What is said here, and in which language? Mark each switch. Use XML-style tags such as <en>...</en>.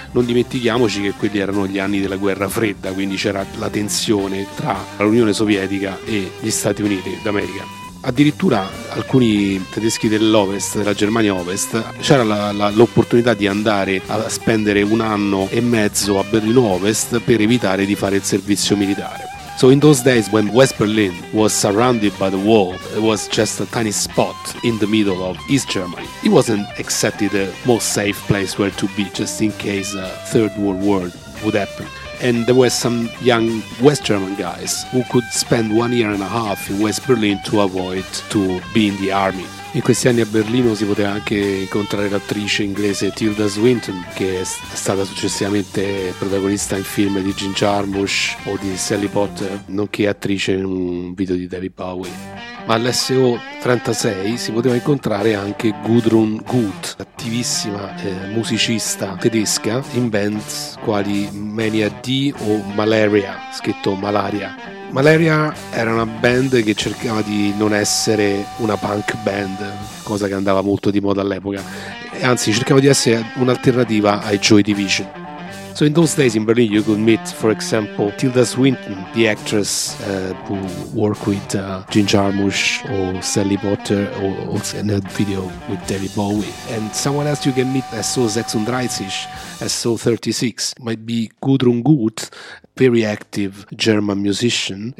<it>Non dimentichiamoci che quelli erano gli anni della guerra fredda, quindi c'era la tensione tra l'Unione Sovietica e gli Stati Uniti d'America. Addirittura alcuni tedeschi dell'Ovest, della Germania Ovest, c'era l'opportunità di andare a spendere un anno e mezzo a Berlino Ovest per evitare di fare il servizio militare.</it> <en>So in those days when West Berlin was surrounded by the wall, it was just a tiny spot in the middle of East Germany. It wasn't exactly the most safe place where to be, just in case a Third World War would happen. And there were some young West German guys who could spend 1 year and a half in West Berlin to avoid to be in the army.</en> <it>In questi anni a Berlino si poteva anche incontrare l'attrice inglese Tilda Swinton, che è stata successivamente protagonista in film di Jim Jarmusch o di Sally Potter, nonché attrice in un video di David Bowie. Ma all'SO 36 si poteva incontrare anche Gudrun Guth, attivissima musicista tedesca in bands quali Mania D o Malaria, scritto Malaria. Malaria era una band che cercava di non essere una punk band, cosa che andava molto di moda all'epoca, e anzi cercava di essere un'alternativa ai Joy Division.</it> <en>So in those days in Berlin, you could meet, for example, Tilda Swinton, the actress who worked with Jim Jarmusch or Sally Potter, or also in a video with David Bowie. And someone else you can meet, SO 36, SO 36, might be Gudrun Gut, very active German musician.</en>